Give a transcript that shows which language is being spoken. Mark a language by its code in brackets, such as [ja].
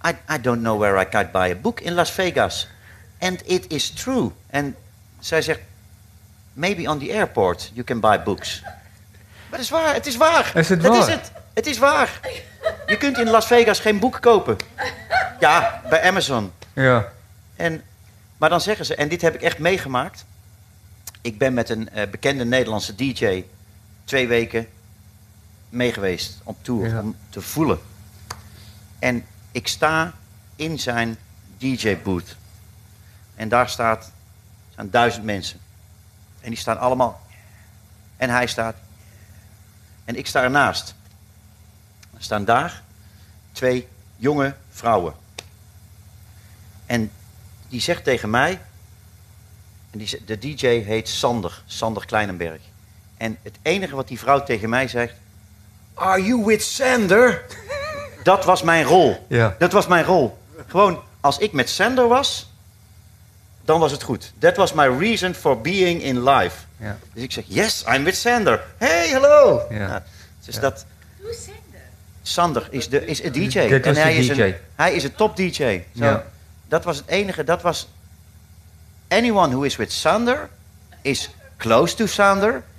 [en] I don't know where I could buy a book in Las Vegas. And it is true. [nl] En zij zegt, [en] maybe on the airport you can buy books. [nl] Maar het is waar. Is het waar? Dat is het. Het is waar. Je kunt in Las Vegas geen boek kopen. Ja, bij Amazon. Ja. Maar dan zeggen ze, en dit heb ik echt meegemaakt. Ik ben met een bekende Nederlandse DJ 2 weken meegeweest op tour. Ja. Om te voelen. En ik sta in zijn DJ-booth. En daar staan 1000 mensen. En die staan allemaal. En hij staat. En ik sta ernaast. Er staan daar 2 jonge vrouwen. En die zegt tegen mij. En de DJ heet Sander. Sander Kleinenberg. En het enige wat die vrouw tegen mij zegt. [en] Are you with Sander? [nl] Dat was mijn rol. Ja. Dat was mijn rol. Gewoon, als ik met Sander was, dan was het goed. [en] That was my reason for being in life. [nl] Ja. Dus ik zeg, [en] yes, I'm with Sander. Hey, hello. [nl] Ja. Nou, dus dat. [en] Who's Sander? [nl] Sander is een DJ. En hij DJ. Hij is een top DJ. So, ja. Dat was het enige. Dat was, [en] anyone who is with Sander is close to Sander.